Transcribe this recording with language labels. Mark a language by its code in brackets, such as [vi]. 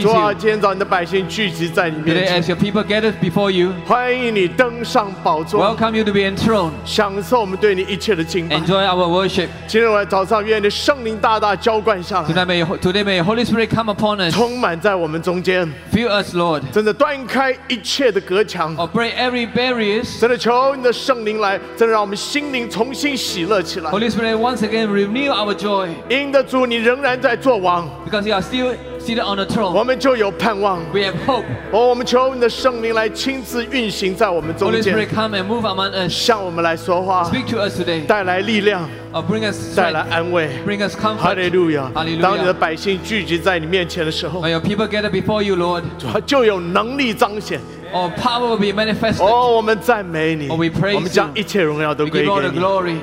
[zh] 主啊，今天早上你的百姓聚集在你面前。 [en] Today, as your people gathered before you, [zh] 欢迎你登上宝座。 [en] Welcome you to be enthroned. [zh] 享受我们对你一切的敬拜。 [en] Enjoy our worship. [zh] 今天我早上愿你的圣灵大大浇灌下来。 [en] Today may Holy Spirit come upon us. [zh] 充满在我们中间。 [en] Fill us, Lord. [zh] 真的断开一切。的隔墙 [en] or break every barriers, [zh] 真的求你的圣灵来，真的让我们心灵重新喜乐起来。 [en] Holy Spirit, once again renew our joy. [zh] 因着主，你仍然在做王。 [en] Because you are still seated on the throne. [zh] 我们就有盼望。 [en] We have hope. [zh] 哦，我们求你的圣灵来亲自运行在我们中间。 [en] Holy Spirit, come and move among us. [zh] 向我们来说话。 [en] Speak to us today. [zh] 带来力量。 [en] Or bring us [zh] 带来安慰。 [en] Bring us comfort. Hallelujah. Hallelujah. [zh] 当你的百姓聚集在你面前的时候 [en] ，Your people gather before you, Lord. [zh] 主啊，就有能力彰显。 [en] Our power will be manifested. Oh, we praise you. We praise you. We give you all the glory.